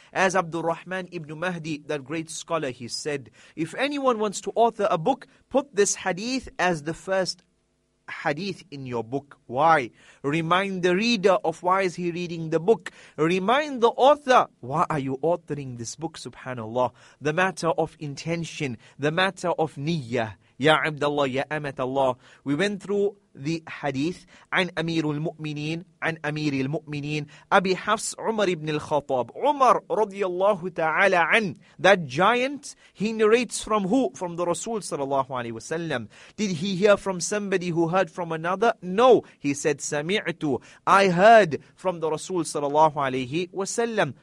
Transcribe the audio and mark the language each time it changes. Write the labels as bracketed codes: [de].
[en] As Abdul Rahman ibn Mahdi, that great scholar, he said, if anyone wants to author a book, put this hadith as the first hadith in your book. Why? Remind the reader of why is he reading the book. Remind the author, why are you authoring this book, subhanallah? The matter of intention, the matter of niyyah. Ya Abdullah, Ya Amat Allah. We went through the hadith [ar] عن أمير المؤمنين عن أمير المؤمنين أبي حفص عمر بن الخطاب عمر رضي الله تعالى عن. [en] That giant, he narrates from who? From the Rasul sallallahu alayhi wa sallam. Did he hear from somebody who heard from another? No. He said, سمعت, I heard from the Rasul sallallahu alayhi wa sallam.